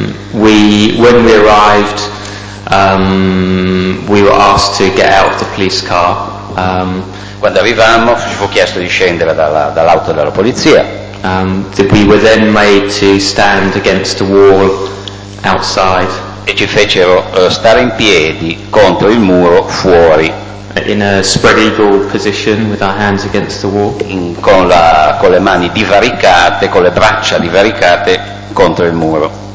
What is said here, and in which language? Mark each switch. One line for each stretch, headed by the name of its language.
English: When we arrived, we were asked to get out of the police car.
Italian: Quando arrivammo ci fu chiesto di scendere dall'auto della polizia.
English: We were then made to stand against the wall outside.
Italian: E ci fecero stare in piedi contro il muro fuori.
English: In a spread eagle position with our hands against the wall.
Italian: Con le mani divaricate, con le braccia divaricate contro il muro.